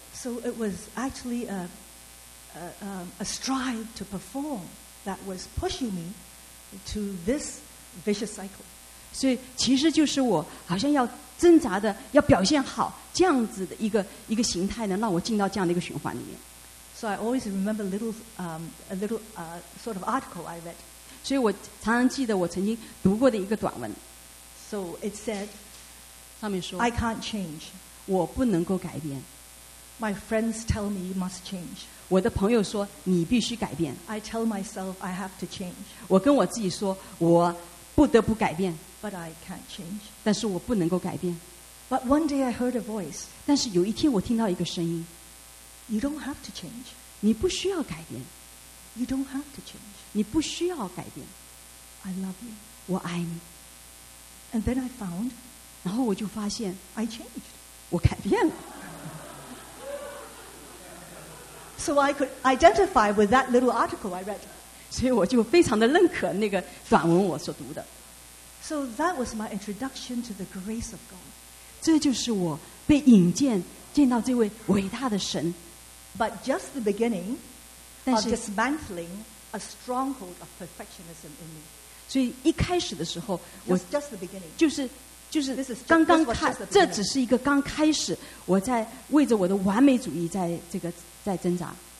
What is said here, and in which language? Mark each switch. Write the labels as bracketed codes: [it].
[en] So it was actually a strive to perform that was pushing me to this vicious cycle. [zh] 所以其实就是我好像要挣扎的，要表现好这样子的一个形态呢，让我进到这样的一个循环里面。 [en] So I always remember a little sort of article I read. [zh] 所以我常常记得我曾经读过的一个短文。 [en] So it said, [zh] 上面说, [en] I can't change. [zh] 我不能够改变。 [en] My friends tell me you must change. [zh] 我的朋友说你必须改变。 [en] I tell myself I have to change. [zh] 我跟我自己说我不得不改变。 [en] But I can't change. [zh] 但是我不能够改变。 [en] But one day I heard a voice. [zh] 但是有一天我听到一个声音。 [en] You don't have to change. [zh] 你不需要改变。 [en] You don't have to change. [zh] 你不需要改变. [en] I love you. [zh] 我爱你. [en] And then I found, [zh] 然后我就发现, [en] I changed. [zh] 我改变了. [en] So I could identify with that little article I read. [zh] 所以我就非常的认可那个短文我所读的. [en] So that was my introduction to the grace of God. [zh] 这就是我被引荐见到这位伟大的神. [en] But just the beginning of dismantling a stronghold of perfectionism in me. [zh] 所以一开始的时候, [en] just the beginning. [zh] 就是刚刚开始, 我在为着我的完美主义在挣扎。